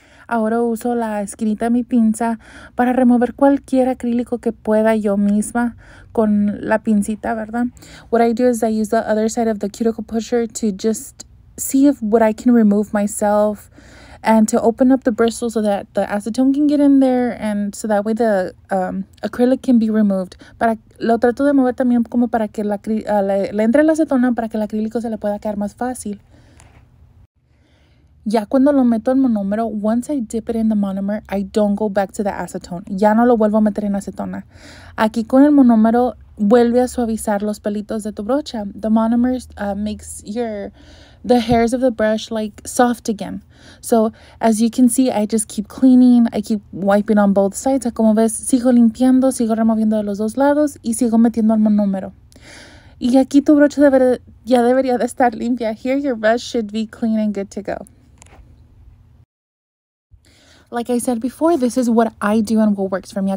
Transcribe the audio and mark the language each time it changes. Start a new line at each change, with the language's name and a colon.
Spanish: Ahora uso la esquinita de mi pinza para remover cualquier acrílico que pueda yo misma con la pinzita, ¿verdad?
English: What I do is I use the other side of the cuticle pusher to just see if what I can remove myself and to open up the bristle so that the acetone can get in there and so that way the acrylic can be removed.
Spanish: Lo trato de mover también como para que le entre la acetona para que el acrílico se le pueda caer más fácil. Ya cuando lo meto en monómero,
English: once I dip it in the monomer, I don't go back to the acetone.
Spanish: Ya no lo vuelvo a meter en acetona. Aquí con el monómero, vuelve a suavizar los pelitos de tu brocha.
English: The monomer makes the hairs of the brush like soft again. So, as you can see, I just keep cleaning. I keep wiping on both sides.
Spanish: Como ves, sigo limpiando, sigo removiendo de los dos lados y sigo metiendo al monómero. Y aquí tu brocha ya debería de estar limpia.
English: Here your brush should be clean and good to go. Like I said before, this is what I do and what works for me.